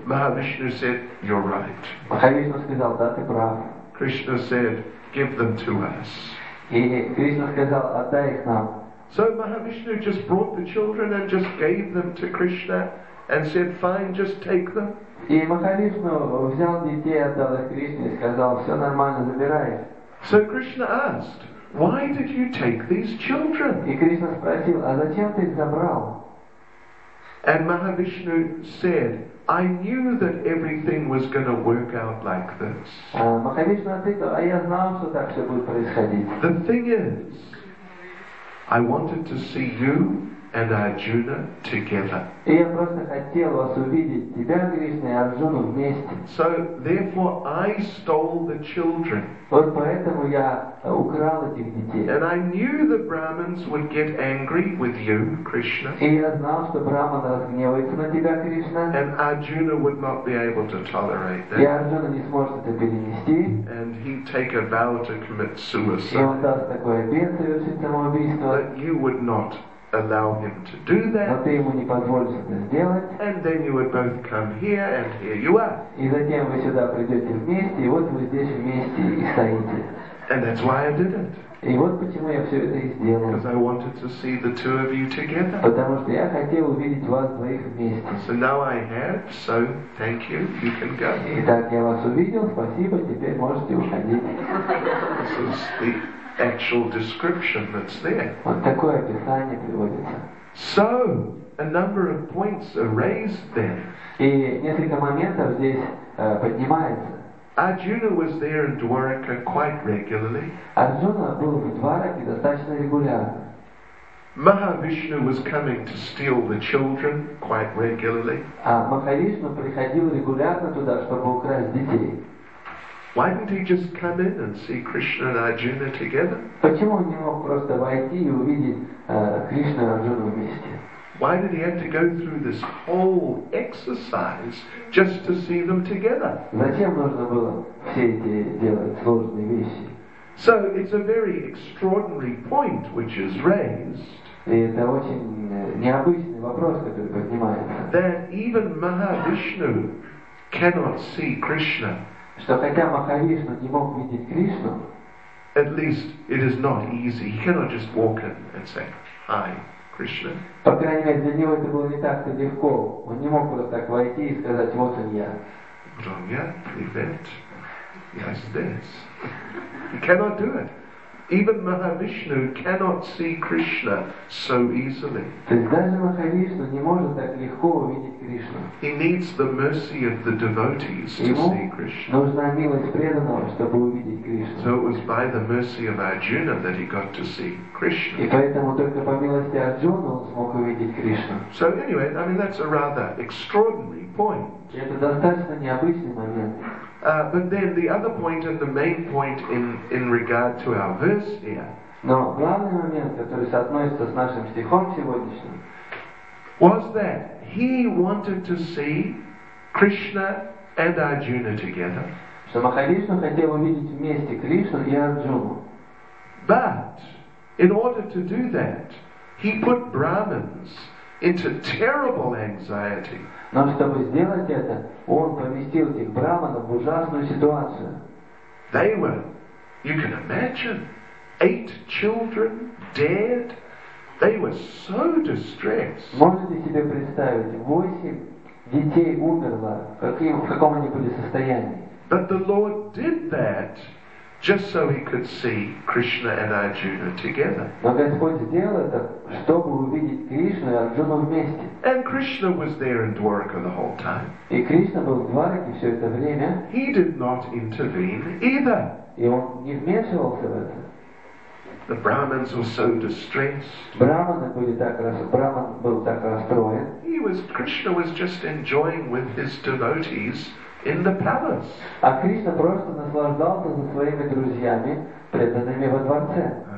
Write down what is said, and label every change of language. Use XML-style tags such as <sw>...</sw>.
<en>Mahavishnu said, "You're right."</en> <ru>Махавишну сказал, да, ты прав.</ru> <en>Krishna said, "Give them to us."</en> <ru>И Кришна сказал, отдай их нам.</ru> <en>So Mahavishnu just brought the children and just gave them to Krishna and said, "Fine, just take them."</en> <ru>И Махавишну взял детей, отдал их Кришне и сказал, "Все нормально, забирай."</ru> <en>So Krishna asked, "Why did you take these children?"</en> <ru>И Кришна спросил, "А зачем ты их забрал?"</ru> <en>And Mahavishnu said, "I knew that everything was going to work out like this."</en> <ru>Махавишну ответил, "А я знал, что так все будет происходить."</ru> <en>The thing is, I wanted to see you and Arjuna together.</en> <ru>И я просто хотел вас увидеть, тебя, Кришна, и Арджуну вместе.</ru> <en>So therefore, I stole the children.</en> <ru>Вот поэтому я украл этих детей.</ru> <en>And I knew the Brahmins would get angry with you, Krishna.</en> <ru>И я знал, что Брахманы разгневаются на тебя, Кришна.</ru> <en>And Arjuna would not be able to tolerate that.</en> <ru>И Арджуна не сможет это перенести.</ru> <en>And he'd take a vow to commit suicide.</en> <ru>И он даст такой обет совершить самоубийство.</ru> <en>But you would not allow him to do that.</en> <ru>Но ты ему не позволишь это сделать.</ru> <en>And then you would both come here, and here you are.</en> <ru>И затем вы сюда придете вместе, и вот вы здесь вместе и стоите.</ru> <en>And that's why I did it.</en> <ru>И вот почему я все это и сделал.</ru> <en>Because I wanted to see the two of you together.</en> <ru>Потому что я хотел увидеть вас двоих вместе.</ru> <en>So now I have. So thank you. You can go.</en> <ru>Итак, я вас увидел. Спасибо. Теперь можете уходить.</ru> <en>This is the actual description that's there.</en> <ru>Вот такое описание приводится.</ru> <en>So a number of points are raised then.</en> <ru>И несколько моментов здесь поднимается.</ru> <en>Arjuna was there in Dwarka quite regularly.</en> <ru>Арджуна был в Двараке достаточно регулярно.</ru> <en>Mahavishnu was coming to steal the children quite regularly.</en> <ru>А Махавишну приходил регулярно туда, чтобы украсть детей.</ru> <en>Why didn't he just come in and see Krishna and Arjuna together?</en> <ru>Почему он не мог просто войти и увидеть Кришну и Арджуну вместе?</ru> <en>Why did he have to go through this whole exercise just to see them together?</en> <ru>Зачем нужно было все эти делать сложные вещи?</ru> <en>So it's a very extraordinary point which is raised.</en> <ru>И это очень необычный вопрос, который поднимается.</ru> <en>That even Mahavishnu cannot see Krishna.</en> <ru>Что хотя Махавишну не мог видеть Кришну.</ru> <en>At least it is not easy. He cannot just walk in and say hi. Krishna.</en> <ru>По крайней мере, для него это было не так-то легко. Он не мог просто так войти и сказать, вот он я.</ru> <en>Ramya, event. Yes, this. He cannot do it. Even Mahavishnu cannot see Krishna so easily.</en> <ru>То есть даже Махавишну не может так легко увидеть Кришну.</ru> <en>He needs the mercy of the devotees to see Krishna.</en> <ru>Ему нужна милость преданного, чтобы увидеть Кришну.</ru> <en>So it was by the mercy of Arjuna that he got to see Krishna.</en> <ru>И поэтому только по милости Арджуны он смог увидеть Кришну.</ru> <en>So anyway, I mean that's a rather extraordinary point.</en> <ru>Это достаточно необычный момент.</ru> <en>But then the other point and the main point in regard to our verse here.</en> <ru>Но главный момент, который соотносится с нашим стихом сегодняшним,</ru> <en>was that he wanted to see Krishna and Arjuna together.</en> <ru>Что Махавишну хотел увидеть вместе Кришну и Арджуну.</ru> <en>But in order to do that, he put Brahmins into terrible anxiety.</en> <ru>Но чтобы сделать это, он поместил этих брахманов в ужасную ситуацию.</ru> <en>They were, you can imagine, 8 children dead, They were so distressed.</en> <ru>Можете себе представить, 8 детей умерло, в каком они были состоянии?</ru> <en>But the Lord did that just so he could see Krishna and Arjuna together.</en> <ru>Но Господь сделал это, чтобы увидеть Кришну и Арджуну вместе.</ru> <en>And Krishna was there in Dwarka the whole time.</en> <ru>И Кришна был в Двараке все это время.</ru> <en>He did not intervene either.</en> <ru>И он не вмешивался в это.</ru> <en>The Brahmins were so distressed.</en> <ru>Brahman был так расстроен.</ru> <en>Krishna was just enjoying with his devotees in the palace.</en> <ru>А Кришна просто наслаждался со своими друзьями, преданными во дворце.</ru>